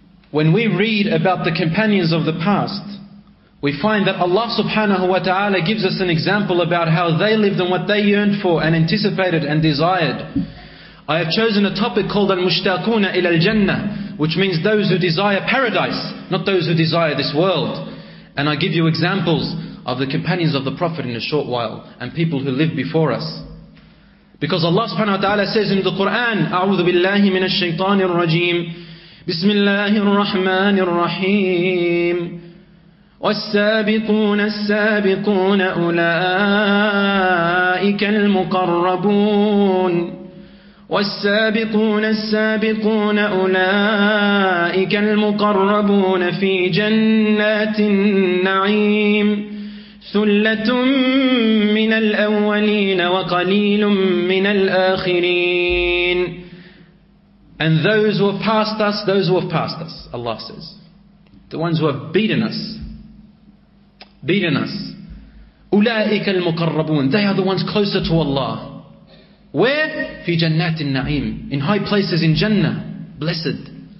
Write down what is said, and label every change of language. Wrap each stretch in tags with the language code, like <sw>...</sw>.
<en>When we read about the companions of the past, we find that Allah subhanahu wa ta'ala gives us an example about how they lived and what they yearned for and anticipated and desired. I have chosen a topic called Al-Mushtaquna ila al-Jannah, which means those who desire paradise, not those who desire this world. And I give you examples of the companions of the Prophet in a short while and people who lived before us.</en> <ar>Because Allah subhanahu wa ta'ala says in the Quran, أَعُوذُ بِاللَّهِ مِنَ الشَّيْطَانِ الرَّجِيمِ بِسْمِ اللَّهِ الرَّحْمَنِ الرَّحِيمِ والسابقون السابقون أولئك المقربون والسابقون السابقون أولئك المقربون في جنات النعيم ثلة من الأولين وقليل من الآخرين.</ar> <en>And those who have passed us, those who have passed us, Allah says, the ones who have beaten us,</en> <ar>أولئك المقربون.</ar> <en>They are the ones closer to Allah. Where?</en> <ar>في جنات النعيم.</ar> <en>In high places in Jannah. Blessed.</en>